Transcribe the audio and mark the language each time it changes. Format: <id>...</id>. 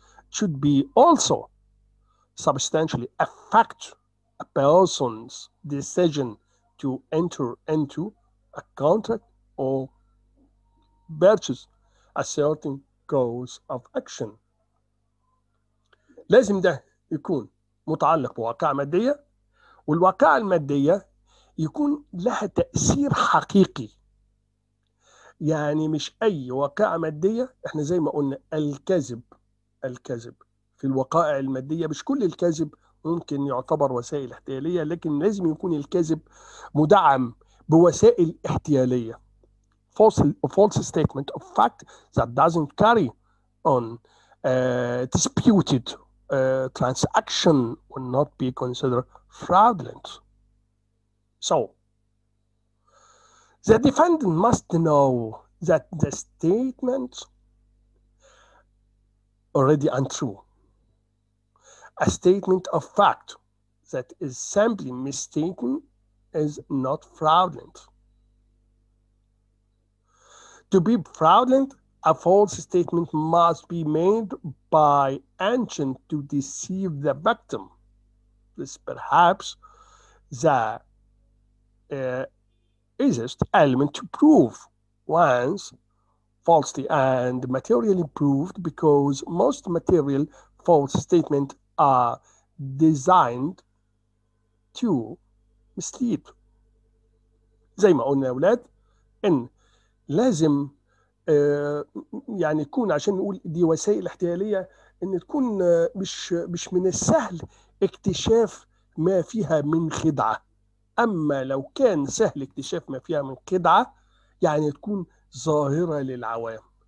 <en>Should be also substantially affect a person's decision to enter into a contract or purchase a certain course of action.</en> <ar>لازم ده يكون متعلق بواقع مادية، والواقع المادية يكون لها تأثير حقيقي. يعني مش أي واقع مادية، احنا زي ما قلنا الكذب في الوقائع المادية، مش كل الكذب ممكن يعتبر وسائل احتيالية، لكن لازم يكون الكذب مدعم بوسائل احتيالية.</ar> <en>False statement of fact that doesn't carry on disputed transaction will not be considered fraudulent. So, the defendant must know that the statement already untrue. A statement of fact that is simply mistaken is not fraudulent. To be fraudulent, a false statement must be made by intent to deceive the victim. This perhaps the easiest element to prove once falsely and materially proved, because most material false statements are designed to mislead.</en> <ar>زي ما قلنا يا أولاد إن لازم يعني يكون، عشان نقول دي وسائل احتيالية، إن تكون مش من السهل اكتشاف ما فيها من خدعة. أما لو كان سهل اكتشاف ما فيها من خدعة، يعني تكون ظاهرة للعوام.</ar>